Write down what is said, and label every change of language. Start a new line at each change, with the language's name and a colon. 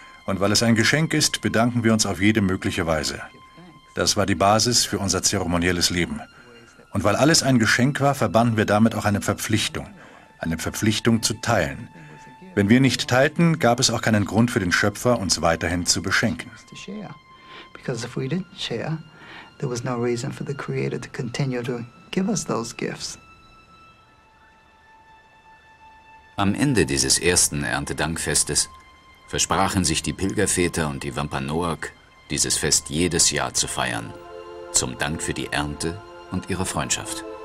German: Und weil es ein Geschenk ist, bedanken wir uns auf jede mögliche Weise. Das war die Basis für unser zeremonielles Leben. Und weil alles ein Geschenk war, verbanden wir damit auch eine Verpflichtung zu teilen. Wenn wir nicht teilten, gab es auch keinen Grund für den Schöpfer, uns weiterhin zu beschenken.
English: Because if we didn't share, there was no reason for the Creator to continue to give us those gifts.
German: Am Ende dieses ersten Erntedankfestes versprachen sich die Pilgerväter und die Wampanoag, dieses Fest jedes Jahr zu feiern, zum Dank für die Ernte und ihre Freundschaft.